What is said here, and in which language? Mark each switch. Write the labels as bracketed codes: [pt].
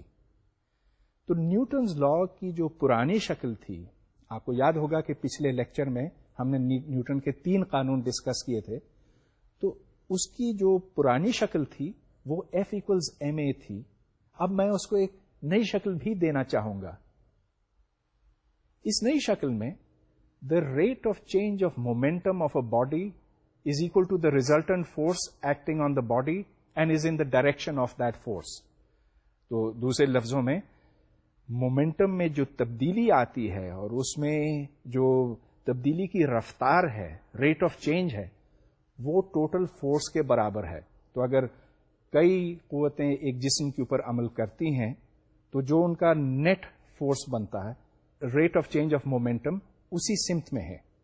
[ur] تو نیوٹنز لا کی جو پرانی شکل تھی, آپ کو یاد ہوگا کہ پچھلے لیکچر میں ہم نے نیوٹن کے تین قانون ڈسکس کیے تھے, تو اس کی جو پرانی شکل تھی وہ ایف ایکولز ایم اے تھی. اب میں اس کو ایک نئی شکل بھی دینا چاہوں گا. اس نئی شکل میں [en] the rate of change of momentum of a body is equal to the resultant force acting on the body and is in the direction of that force. [ur] تو دوسرے لفظوں میں momentum میں جو تبدیلی آتی ہے اور اس میں جو تبدیلی کی رفتار ہے, rate of change ہے, وہ total force کے برابر ہے. تو اگر کئی قوتیں ایک جسم کے اوپر عمل کرتی ہیں تو جو ان کا نیٹ فورس بنتا ہے, rate of change of momentum, اسی سمت میں ہے.